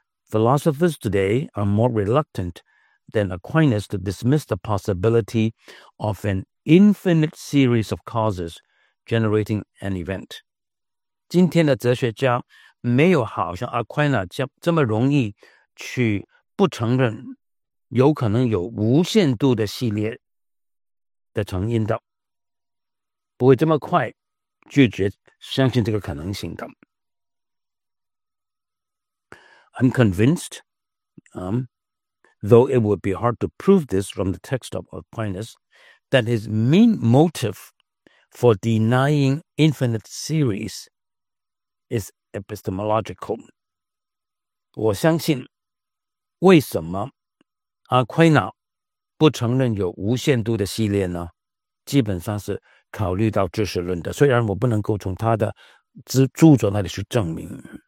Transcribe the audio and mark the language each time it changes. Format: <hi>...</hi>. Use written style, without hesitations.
<en>Philosophers today are more reluctant than Aquinas to dismiss the possibility of an infinite series of causes generating an event.</en> <zh>今天的哲学家没有好像 Aquinas 这么容易去不承认有可能有无限度的系列的成因的，不会这么快拒绝相信这个可能性的。</zh> <en>I'm convinced、though it would be hard to prove this from the text of Aquinas, that his main motive for denying infinite series is epistemological.</en> <zh>我相信为什么阿奎那不承认有无限度的系列呢，基本上是考虑到知识论的，虽然我不能够从他的著作那里去证明。</zh>